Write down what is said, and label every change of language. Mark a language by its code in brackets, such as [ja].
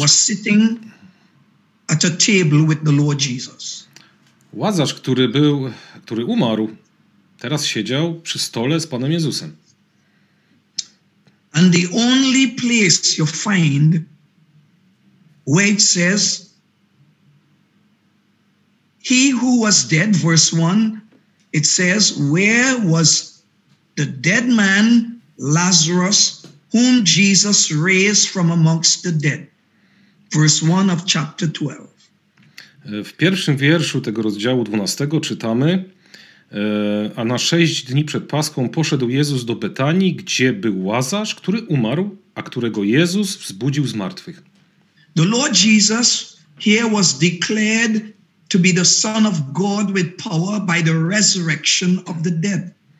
[en] was sitting at a table with the Lord Jesus. [pl] Łazarz, który umarł, teraz siedział przy stole z Panem Jezusem. [en] And the only place you find where it says he who was dead, verse 1, it says, where was the dead man Lazarus whom Jesus raised from amongst the dead? Verse 1 of chapter 12. [pl] W pierwszym wierszu tego rozdziału 12 czytamy: a na 6 dni przed Paschą poszedł Jezus do Betanii, gdzie był Łazarz, który umarł, a którego Jezus wzbudził z martwych. [en] The Lord Jesus here was declared to be the Son of God with power by the resurrection of the dead.